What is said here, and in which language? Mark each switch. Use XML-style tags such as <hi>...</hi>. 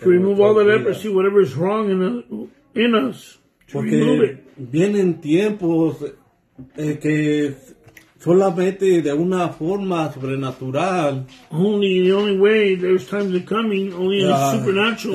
<en>to remove all the leprosy, whatever is wrong in us, to</en> <es>porque</es> <en>remove it.</en> <es>Vienen tiempos que solamente de una forma sobrenatural.</es> <en>Only the only way there's times are coming, only in a supernatural</en>